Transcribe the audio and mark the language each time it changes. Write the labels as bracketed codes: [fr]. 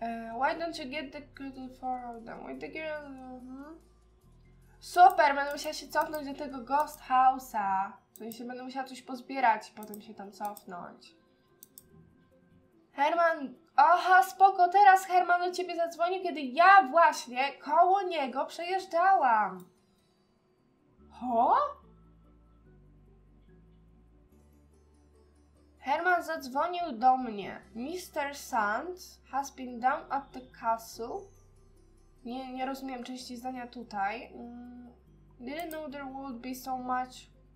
[en] Why don't you get the girl for them? Why the girl... Super! [pl] Będę musiała się cofnąć do tego ghost house'a. W sensie będę musiała coś pozbierać i potem się tam cofnąć. Herman... Aha, spoko! Teraz Herman do ciebie zadzwoni, kiedy ja właśnie koło niego przejeżdżałam. Ho? Herman zadzwonił do mnie. [en] Mr. Sands has been down at the castle. [pl] Nie rozumiem części zdania tutaj. [en] Didn't know there would be so much.